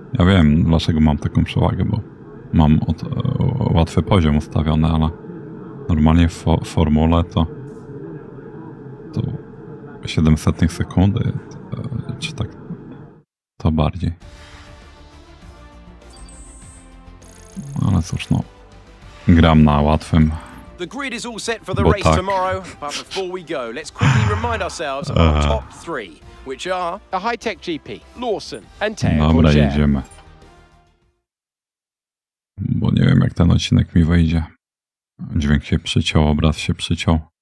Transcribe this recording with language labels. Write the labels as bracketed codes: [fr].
[pl] Ja wiem, dlaczego mam taką przewagę, bo mam łatwy poziom ustawiony, ale normalnie w formule to 700 sekundy, czy tak, to bardziej. Ale cóż, no, gram na łatwym. [en] The grid is all set for the race tomorrow, but before we go, let's quickly remind ourselves of our top three, which are a high-tech GP, Lawson, and Tech. [pl] Dobra, jedziemy. Bo nie wiem, jak ten odcinek mi wyjdzie. Dźwięk się przyciął, obraz się przyciął.